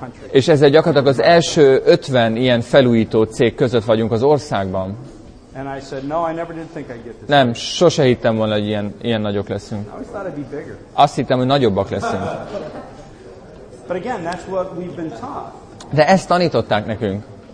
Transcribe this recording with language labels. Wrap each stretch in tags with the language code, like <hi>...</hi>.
<hu>És ez gyakorlatilag az első 50 ilyen felújító cég között vagyunk az országban.</hu> <en>And I said, no, I never did think I'd get this.</en> <hu>Nem, sose hittem volna, hogy ilyen nagyok leszünk.</hu> <en>I thought I'd be bigger.</en> <hu>Azt hittem, hogy nagyobbak leszünk.</hu> <en>But again, that's what we've been taught.</en> <hu>De ezt tanították nekünk.</hu>